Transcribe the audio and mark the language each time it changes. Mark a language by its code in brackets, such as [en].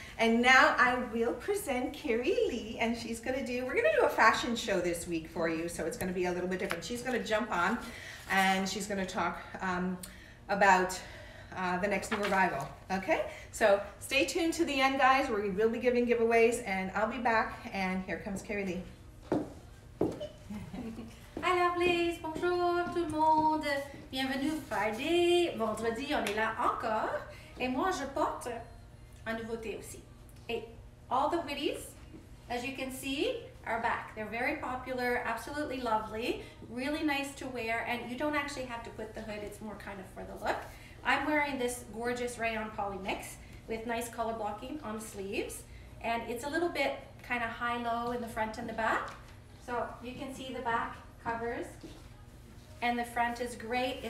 [en] And now I will present Carrie Lee, and she's going to do, we're going to do a fashion show this week for you. So it's going to be a little bit different. She's going to jump on and she's going to talk about the next new arrival. Okay, so stay tuned to the end, guys, where we will be giving giveaways, and I'll be back. And here comes Carrie Lee. Hi lovelies, [fr] bonjour tout le monde, bienvenue Friday, vendredi on est là encore, et moi je porte une nouveauté aussi. [en] Hey, all the hoodies, as you can see, are back. They're very popular, absolutely lovely, really nice to wear, and you don't actually have to put the hood, it's more kind of for the look. I'm wearing this gorgeous rayon poly mix with nice color blocking on sleeves, and it's a little bit kind of high-low in the front and the back, so you can see the back covers, and the front is great.